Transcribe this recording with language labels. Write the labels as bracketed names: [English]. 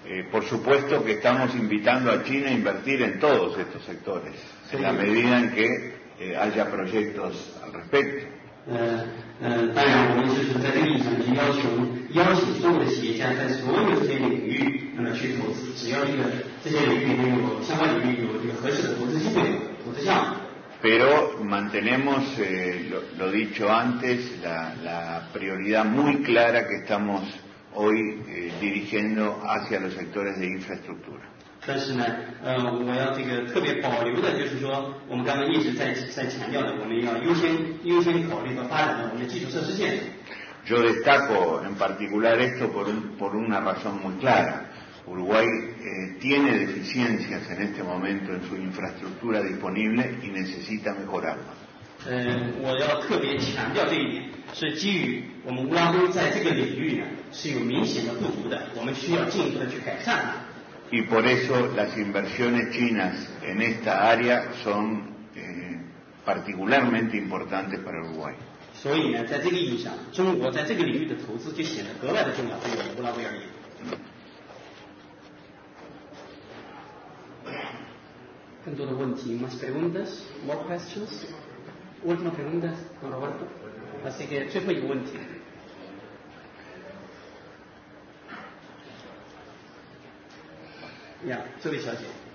[Spanish] Por supuesto que estamos invitando a China a invertir en todos estos sectores, en la medida en que haya proyectos al respecto. [Chinese] 当然我们就是在这个意义上就要求邀请中国的企业家在所有这些领域那么去投资，只要这个这些领域能有相关领域有这个合适的投资机会投资项目。 [Spanish] Pero mantenemos lo dicho antes, la prioridad muy clara que estamos hoy dirigiendo hacia los sectores de infraestructura. [Chinese] 但是呢我要这个特别保留的就是说我们刚才一直在强调的，我们要优先考虑和发展的我们的基础设施建设。 [Spanish] Yo destaco en particular esto por una razón muy clara. Uruguay tiene deficiencias en este momento en su infraestructura disponible y necesita mejorarla. [Chinese] 我要特别强调这一点，是基于我们乌拉圭在这个领域呢是有明显的不足的，我们需要进一步的去改善它。 [Spanish] Y por eso las inversiones chinas en esta área son particularmente importantes para Uruguay. [Chinese] 所以呢，在这个意义上，中国在这个领域的投资就显得格外的重要，对我们乌拉圭而言。更多的问题 [Spanish] ，más preguntas, [English] more questions, [Spanish] última pregunta, don Roberto. Así que [Chinese] 最后一个问题。 [Spanish] Ya, eso dice así.